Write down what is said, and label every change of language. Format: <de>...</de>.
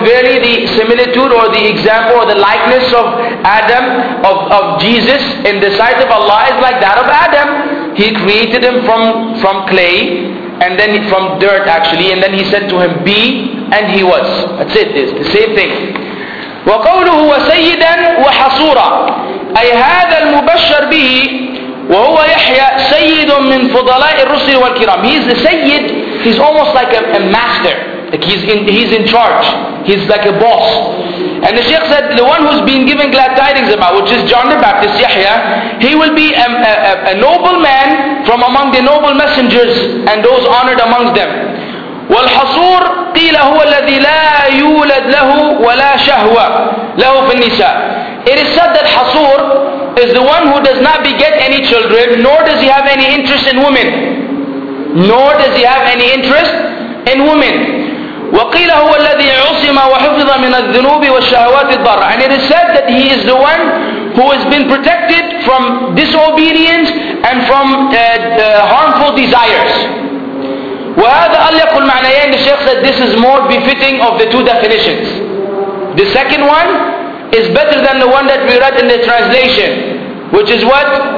<en>Verily, the similitude or the example or the likeness of Adam, of Jesus in the sight of Allah is like that of Adam. He created him from clay, and then from dirt actually, and then he said to him, be, and he was. That's it, it's the same thing.</en> <ar>وَقَوْلُهُ وَسَيِّدًا وَحَصُورًا أي هذا المبشر به وهو يحيى سيد من فضلاء الرسل والكرام.</ar> <en>He's the Sayyid, he's almost like a master. Like he's in charge. He's like a boss. And the Shaykh said, the one who's been given glad tidings about, which is John the Baptist, Yahya, he will be a noble man from among the noble messengers and those honored amongst them.</en> <ar>والحصور قيل هو الذي لا يولد له ولا شهوة له في النساء.</ar> <en>It is said that حصور is the one who does not beget any children, nor does he have any interest in women. Nor does he have any interest in women.</en> <ar>وقيل هو الذي عصم وحفظ من الذنوب والشهوات الضارة.</ar> <en>And it is said that he is the one who has been protected from disobedience and from harmful desires.</en> <ar>وهذا أليق المعنيين.</ar> <en>The Shaykh said this is more befitting of the two definitions. The second one is better than the one that we read in the translation, which is what?</en>